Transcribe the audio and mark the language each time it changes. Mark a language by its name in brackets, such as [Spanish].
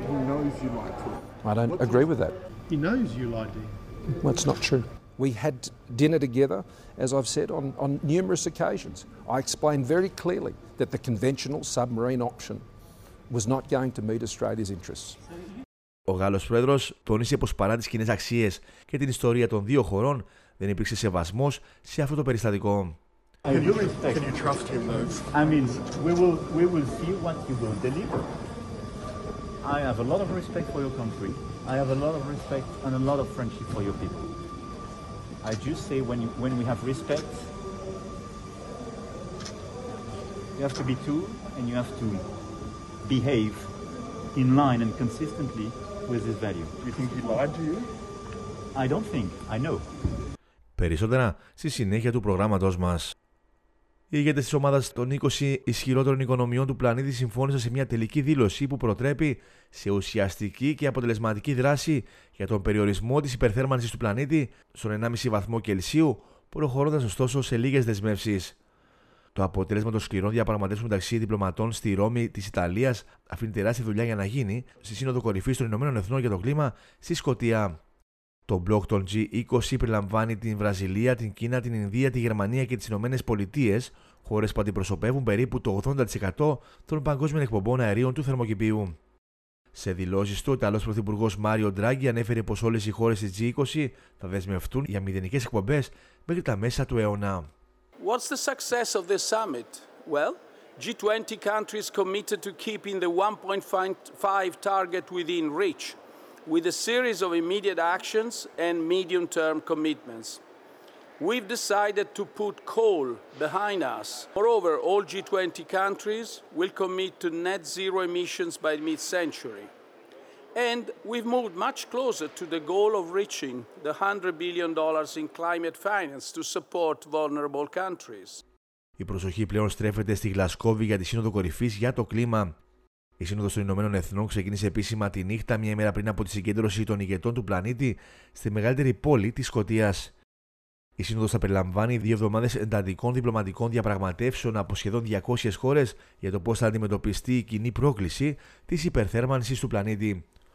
[English] He knows you lied to him. I don't agree with that. He knows you lied to him. Well, it's not true. We had dinner together, as I've said, on numerous occasions. I explained very clearly that the conventional submarine option was not going to meet Australia's interests. [Greek] Ο Γάλλος Πρόεδρος τονίσε πως παρά τις κοινές αξίες και την ιστορία των δύο χωρών δεν υπήρξε σεβασμός σε αυτό το περιστατικό. [English] Can you trust him, though? I mean, we will see what you will deliver. I have a lot of respect for your country. I have a lot of respect and a lot of friendship for your people. I do say when we have respect, you have to be true and you have to behave in line and consistently with this value. Do you think he lied to you? I don't think. I know. [Greek] Περισσότερα στη συνέχεια του προγράμματος μας. Οι ηγέτες της ομάδας των 20 ισχυρότερων οικονομιών του πλανήτη συμφώνησαν σε μια τελική δήλωση που προτρέπει σε ουσιαστική και αποτελεσματική δράση για τον περιορισμό της υπερθέρμανσης του πλανήτη στον 1,5 βαθμό Κελσίου, προχωρώντας ωστόσο σε λίγες δεσμεύσεις. Το αποτέλεσμα των σκληρών διαπραγματεύσεων μεταξύ διπλωματών στη Ρώμη της Ιταλίας αφήνει τεράστια δουλειά για να γίνει στη Σύνοδο Κορυφής των ΗΠΑ για το κλίμα στη Σκωτία. Το μπλοκ των G20 περιλαμβάνει την Βραζιλία, την Κίνα, την Ινδία, τη Γερμανία και τις Ηνωμένες Πολιτείες, χώρες που αντιπροσωπεύουν περίπου το 80% των παγκόσμιων εκπομπών αερίων του θερμοκηπίου. Σε δηλώσεις του, ο Ιταλός Πρωθυπουργός Μάριο Ντράγκη ανέφερε πως όλες οι χώρες της G20 θα δεσμευτούν για μηδενικές εκπομπές μέχρι τα μέσα του αιώνα. [English] What's the success of this summit? Well, G20 countries committed to keeping the 1.5 target within reach. With a series of immediate actions and medium-term commitments. We've decided to put coal behind us. Moreover, all G20 countries will commit to net zero emissions by mid-century. And we've moved much closer to the goal of reaching the $100 billion in climate finance to support vulnerable countries. [Greek] Η προσοχή πλέον στρέφεται στη Γλασκόβη για τη Σύνοδο Κορυφής για το κλίμα. Η Σύνοδος των Ηνωμένων Εθνών ξεκίνησε επίσημα τη νύχτα μια ημέρα πριν από τη συγκέντρωση των ηγετών του πλανήτη στη μεγαλύτερη πόλη της Σκωτίας. Η Σύνοδος θα περιλαμβάνει δύο εβδομάδες εντατικών διπλωματικών διαπραγματεύσεων από σχεδόν 200 χώρες για το πώς θα αντιμετωπιστεί η κοινή πρόκληση της υπερθέρμανσης του πλανήτη.